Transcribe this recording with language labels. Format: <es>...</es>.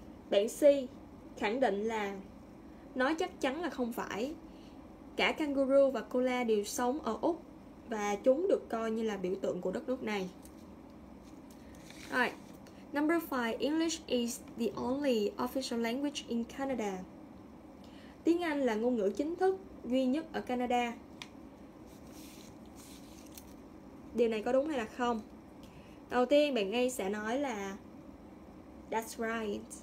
<vi>Bạn C khẳng định là nói chắc chắn là không phải. Cả kangaroo và koala đều sống ở Úc, và chúng được coi như là biểu tượng của đất nước này.</vi> <en>Alright. Number 5, English is the only official language in Canada.</en> <vi>Tiếng Anh là ngôn ngữ chính thức duy nhất ở Canada. Điều này có đúng hay là không? Đầu tiên bạn ngay sẽ nói là</vi> <en>That's right.</en>